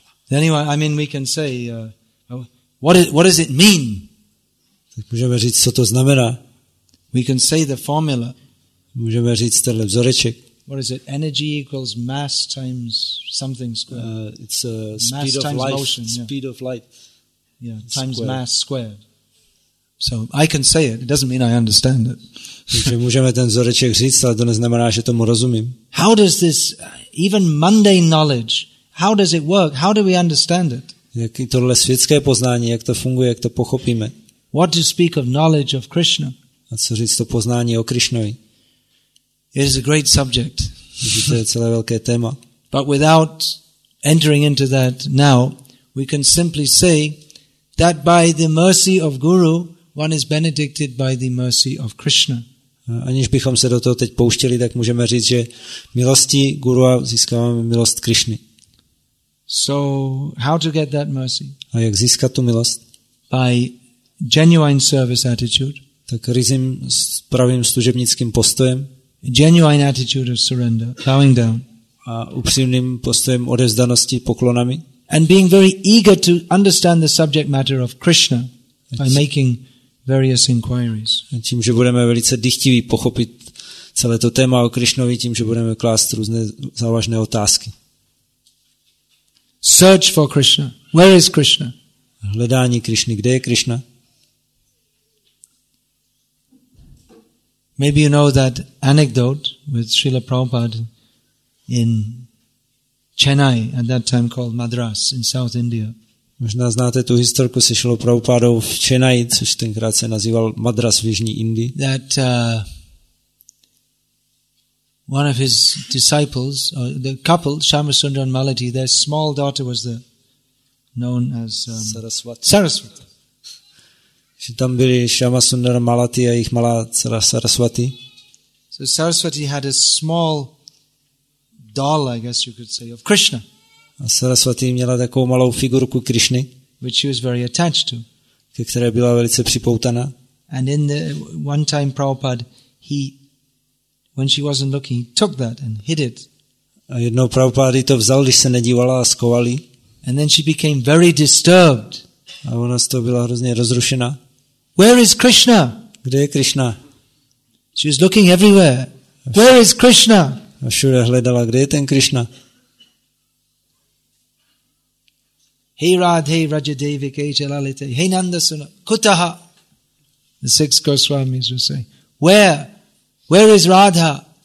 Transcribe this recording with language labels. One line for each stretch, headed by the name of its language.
English: Anyway, I mean, we can say, what does it mean?
Czech: Tak můžeme říct, co to znamená.
English: We can say the formula.
Czech: Můžeme říct tenhle vzoreček.
English: What is it? Energy equals mass times something squared. It's a speed of light. Motion, yeah. Speed of light. Yeah, times squared. Mass squared. So I can say it. It doesn't mean I understand it.
Czech: Takže můžeme ten vzoreček říct, ale to neznamená, že tomu rozumím.
English: How does this even mundane knowledge? How does it work? How do we understand it?
Czech: Jak tohle světské poznání, jak to funguje, jak to pochopíme?
English: What to speak of knowledge of Krishna?
Czech: A co říct to poznání o Krišnovi?
English: It is a great subject.
Czech: To je celé velké téma.
English: But without entering into that now, we can simply say that by the mercy of Guru, one is benedicted by the mercy of Krishna.
Czech: Aniž bychom se do toho teď pouštěli, tak můžeme říct, že milostí Guru získáváme milost Krišny.
English: So how to get that mercy?
Czech: A jak získat tu milost?
English: By genuine service attitude.
Czech: Tak rizím s pravým služebnickým postojem.
English: Genuine attitude of surrender, bowing down.
Czech: A upřímným postojem odevzdanosti poklonami.
English: And being very eager to understand the subject matter of Krishna by making various inquiries.
Czech: A tím, že budeme velice dychtiví pochopit celé to téma o Krišnovi, tím, že budeme klást různé závažné otázky.
English: Search for Krishna. Where is Krishna?
Czech: Hledání Krišny. Kde je Krišna?
English: Maybe you know that anecdote with Srila Prabhupada in Chennai at that time called Madras in South India.
Czech: Možná znáte tu historku se Srila Prabhupádou v Chennai, což tenkrát se nazýval Madras v jižní Indii.
English: That one of his disciples, or the couple, Shyamasundara and Malati, their small daughter was there, known as Saraswati. Saraswati.
Czech: Že tam byli Shyamasundara a Malati a jejich malá dcera Saraswati.
English: So Saraswati had a small doll, I guess you could say, of Krishna.
Czech: A Saraswati měla takovou malou figurku Krišny,
English: which she was very attached to.
Czech: Ke které byla velice připoutaná.
English: And in the one time Prabhupada, he when she wasn't looking, he took that and hid it.
Czech: A jednou Prabhupada to vzal, když se nedívala, a schoval ji.
English: And then she became very disturbed.
Czech: A ona z toho byla hrozně rozrušená.
English: Where is Krishna?
Czech: Kde je Krishna?
English: She was looking everywhere. Where is Krishna?
Czech: A všude hledala, kde je ten Krishna?
Sanskrit: Hey Radhe, Raja Devi, Kei Chalalite, Hey Nandasuna, Kutaha.
English: The six Goswamis were saying, where? Where is Radha?